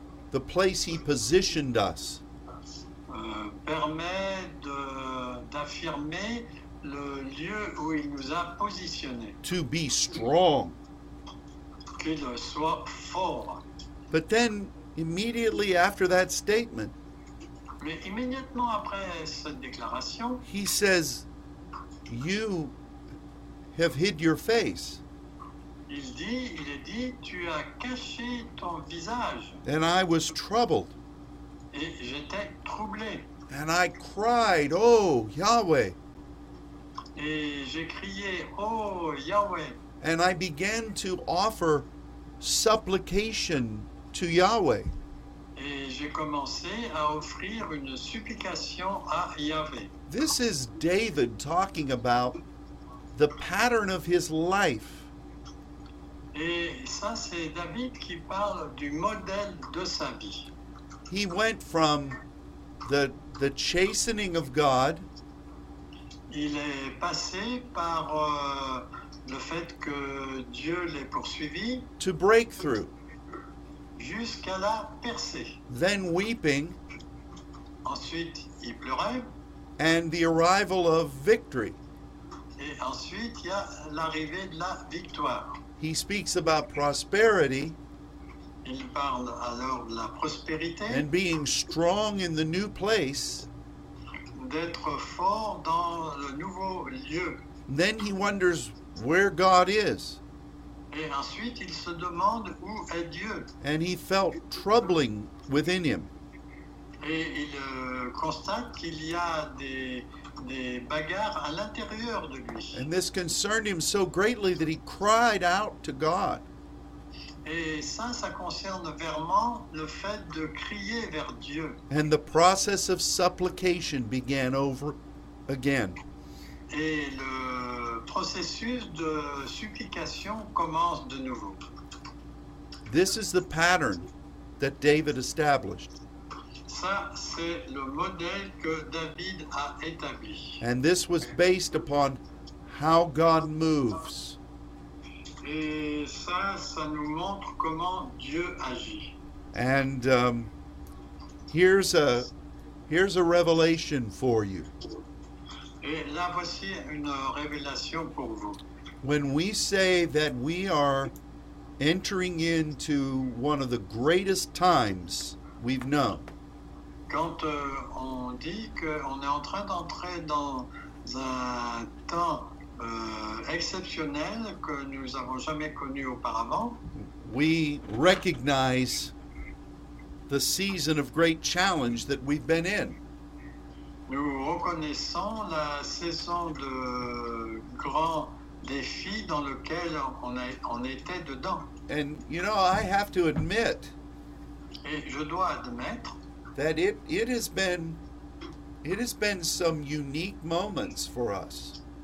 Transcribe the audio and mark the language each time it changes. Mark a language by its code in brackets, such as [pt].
[en] the place he positioned us. [fr] Permet d'affirmer le lieu où il nous a positionné. [en] To be strong. [fr] Qu'il soit fort. [en] But then, immediately after that statement, [fr] mais immédiatement après cette déclaration, [en] he says, "You have hid your face." [fr] Il est dit, tu as caché ton visage. [en] And I was troubled. [fr] Et j'étais troublé. [en] And I cried, "Oh Yahweh." [fr] Et j'ai crié, "Oh Yahweh." [en] And I began to offer supplication to Yahweh. [fr] Et j'ai commencé à offrir une supplication à Yahweh. [en] This is David talking about the pattern of his life. [fr] Et ça, c'est David qui parle du modèle de sa vie. [en] He went from the chastening of God. [fr] Il est passé par le fait que Dieu l'ait poursuivi. [en] To breakthrough. [fr] Jusqu'à la percée. [en] Then weeping. [fr] Ensuite, il pleurait. [en] And the arrival of victory. [fr] Et ensuite, il y a l'arrivée de la victoire. [en] He speaks about prosperity. [fr] Il parle alors de la prospérité. [en] And being strong in the new place. [fr] D'être fort dans le nouveau lieu. [en] Then he wonders where God is. [fr] Et ensuite, il se demande où est Dieu. [en] And he felt troubling within him. [fr] Et il constate qu'il y a des bagarres à l'intérieur de lui. [en] And this concerned him so greatly that he cried out to God. [fr] Et ça concerne vraiment le fait de crier vers Dieu. [en] And the process of supplication began over again. [fr] Et le processus de supplication commence de nouveau. [en] This is the pattern that David established. [fr] Ça, c'est le modèle que David a établi. [en] And this was based upon how God moves. [fr] Et ça nous montre comment Dieu agit. [en] And here's a revelation for you. [fr] Et là, voici une révélation pour vous. [en] When we say that we are entering into one of the greatest times we've known. [fr] Quand on dit qu'on est en train d'entrer dans un temps exceptionnel que nous avons jamais connu auparavant, [en] we recognize the season of great challenge that we've been in. [fr] Nous reconnaissons la saison de grand défi dans lequel on était dedans. [en] And you know, I have to admit. [fr] Et je dois admettre. [en] That it has been some unique moments for us.